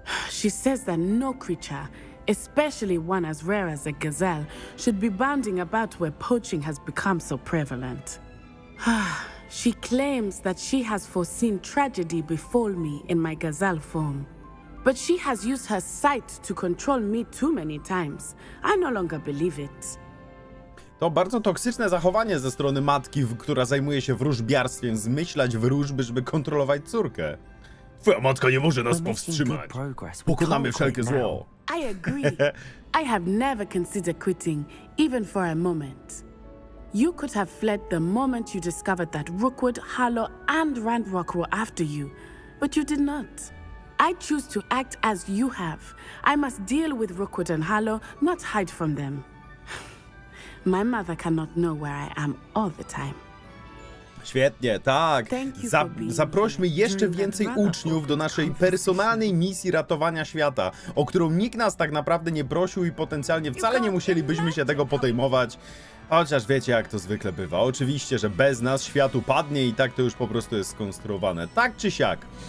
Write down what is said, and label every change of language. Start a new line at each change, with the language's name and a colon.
English: She says that no creature, especially one as rare as a gazelle, should be bounding about where poaching has become so prevalent. She claims that she has foreseen tragedy befall me in my gazelle form. But she has used her sight to control me too many times. I no longer believe it.
Polish: To bardzo toksyczne zachowanie ze strony matki, która zajmuje się wróżbiarstwem, zmyślać wróżby, żeby kontrolować córkę. Twoja matka nie może nas powstrzymać. Pokonamy wszelkie zło.
English: I agree. I have never considered quitting, even for a moment. You could have fled the moment you discovered that Rookwood, Harlow and Randrock were after you, but you did not. I choose to act as you have. I must deal with Rookwood and Harlow, not hide from them. My mother cannot know where I am all the time.
Polish: Świetnie, tak. Zaprośmy jeszcze więcej uczniów do naszej personalnej misji ratowania świata, o którą nikt nas tak naprawdę nie prosił i potencjalnie wcale nie musielibyśmy się tego podejmować. Chociaż wiecie, jak to zwykle bywa. Oczywiście, że bez nas świat upadnie i tak to już po prostu jest skonstruowane. Tak czy siak.